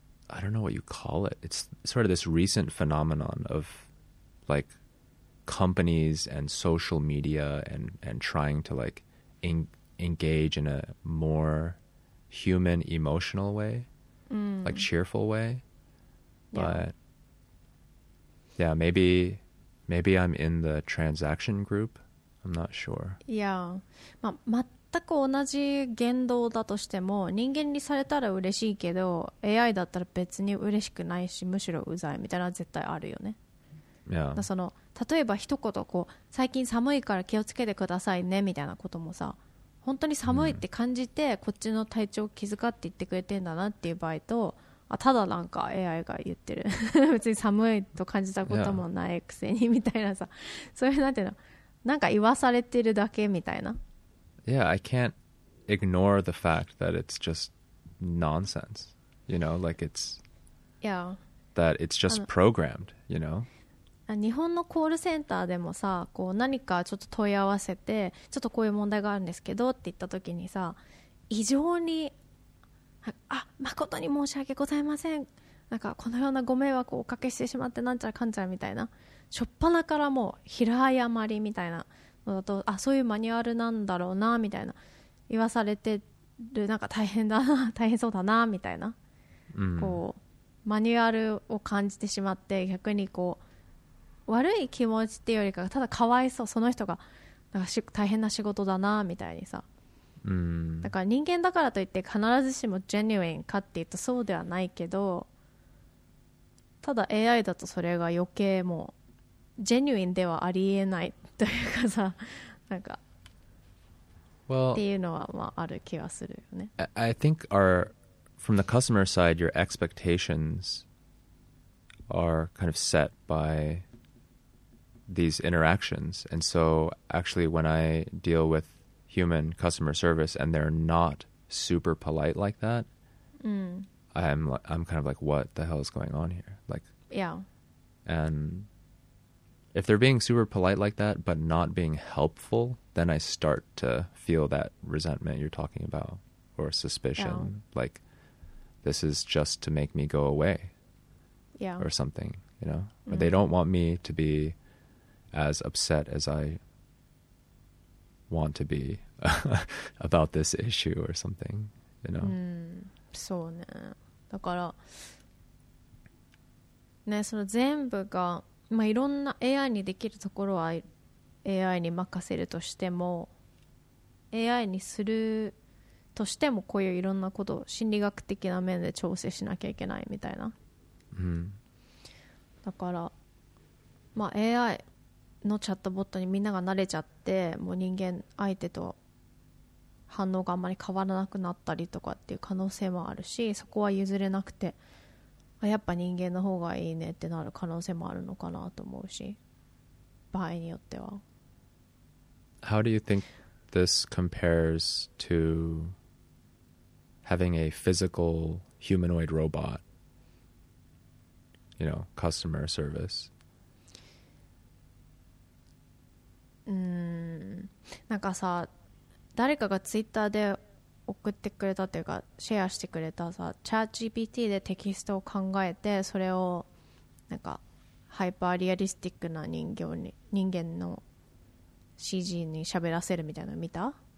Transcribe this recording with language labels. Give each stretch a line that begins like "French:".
English: I don't know what you call it. It's sort of this recent phenomenon of like companies and social media and trying to like engage in a more human, emotional way, like cheerful way. Yeah. But yeah, maybe I'm in the transaction group. I'm not sure. Yeah.
Japanese: Ma, 全く同じ言動だとしても人間にされたら嬉しいけど AI だったら別に嬉しくないしむしろうざいみたいな絶対あるよね、
English: yeah.
Japanese: その例えば一言こう最近寒いから気をつけてくださいねみたいなこともさ本当に寒いって感じてこっちの体調を気遣って言ってくれてんだなっていう場合とあただなんか AI が言ってる別に寒いと感じたこともないくせにみたいなさ、yeah. そういうなんていうのなんか言わされてるだけみたいな
English: Yeah, I can't ignore the fact that it's just nonsense. You know, like it's... Yeah. That it's just programmed, you know?
Japanese: 日本のコールセンターでもさ、こう何かちょっと問い合わせて、ちょっとこういう問題があるんですけどって言った時にさ、異常に、あ、誠に申し訳ございません。なんかこのようなご迷惑をおかけしてしまってなんちゃらかんちゃらみたいな。しょっぱなからもう平謝りみたいな。だとあそういうマニュアルなんだろうなみたいな言わされてるなんか大変だな大変そうだなみたいな、うん、こうマニュアルを感じてしまって逆にこう悪い気持ちっていうよりかただかわいそうその人がなんか大変な仕事だなみたいにさ、うん、だから人間だからといって必ずしもジェニュインかっていうとそうではないけどただ AI だとそれが余計もうジェニュインではありえないというかさ、なんか、
English: well,
Japanese: っていうのはまあある気はするよね。
English: I think our from the customer side, your expectations are kind of set by these interactions, and so actually when I deal with human customer service and they're not super polite like that, I'm kind of like, what the hell is going on here? Like, yeah, and. If they're being super polite like that, but not being helpful, then I start to feel that resentment you're talking about, or suspicion, yeah. like, this is just to make me go away, yeah, or something, you know? Mm. Or they don't want me to be as upset as I want to be about this issue or something, you know?
Japanese: Mm. そうね。だから、ね、その全部が、まあ、いろんな AI にできるところは AI に任せるとしても AI にするとしてもこういういろんなことを心理学的な面で調整しなきゃいけないみたいな、うん、だから、まあ、AI のチャットボットにみんなが慣れちゃってもう人間相手と反応があんまり変わらなくなったりとかっていう可能性もあるしそこは譲れなくてやっぱ人間の方がいいねってなる可能性もあるのかなと思うし場合によっては
English: How do you think this compares to having a physical humanoid robot you know, customer service
Japanese: なんかさ誰かがツイッターで送ってくれたというかシェアしてくれたさチャット GPT でテキストを考えてそれをなんかハイパーリアリスティックな人形に人間の CG に喋らせるみたいなの見た？